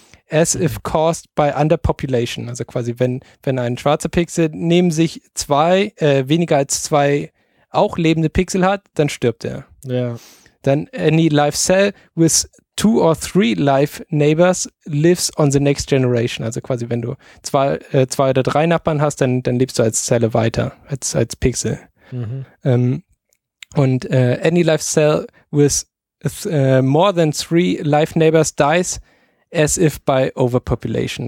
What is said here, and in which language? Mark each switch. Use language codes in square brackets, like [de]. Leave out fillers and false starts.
[en] As if caused by underpopulation. [de] Also quasi, wenn ein schwarzer Pixel neben sich weniger als zwei auch lebende Pixel hat, dann stirbt er. Ja. [en] Dann any life cell with two or three live neighbors lives on the next generation. [de] Also quasi, wenn du zwei oder drei Nachbarn hast, dann lebst du als Zelle weiter, als Pixel. Mhm. [en] Und any live cell with more than three live neighbors dies as if by overpopulation.